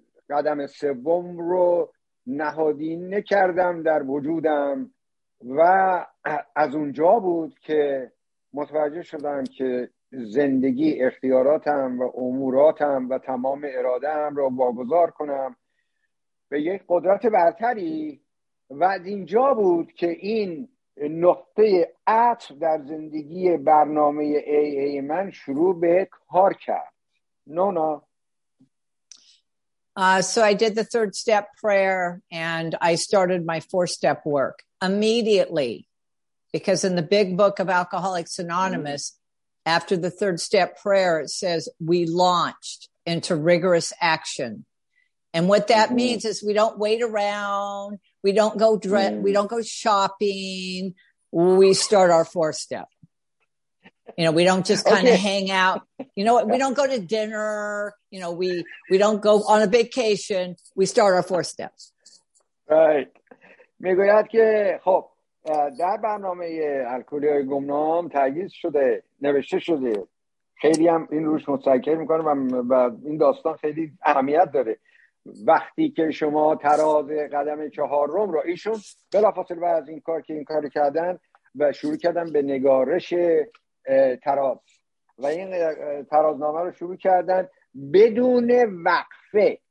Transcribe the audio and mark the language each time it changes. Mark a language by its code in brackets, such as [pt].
[fa] قدم سوم رو نهادینه کردم در وجودم، و از اونجا بود که متوجه شدم که زندگی اختیاراتم و اموراتم و تمام ارادهم رو واگذار کنم به یک قدرت برتری. و از اینجا بود که این نقطه عطف در زندگی برنامه AA من شروع به کار کرد. نونا. [en] So I did the third step prayer and I started my four step work immediately, because in the big book of Alcoholics Anonymous, after the third step prayer, it says we launched into rigorous action. And what that means is we don't wait around. We don't go we don't go shopping. We start our four step. You know, we don't just kind of hang out. You know what? We don't go to dinner. You know, we don't go on a vacation. We start our four steps. Right. [fa] میگوید که خب در برنامه الکلی‌های گمنام تأیید شده، نوشته شده. خیلی هم این روش متشکر می‌کنم و این داستان خیلی اهمیت داره. وقتی که شما تراز قدم چهارم رو ایشون بلافاصله بعد از این کار که این کار کردن و شروع کردن به نگارش تراز و این ترازنامه رو شروع کردن بدون وقفه،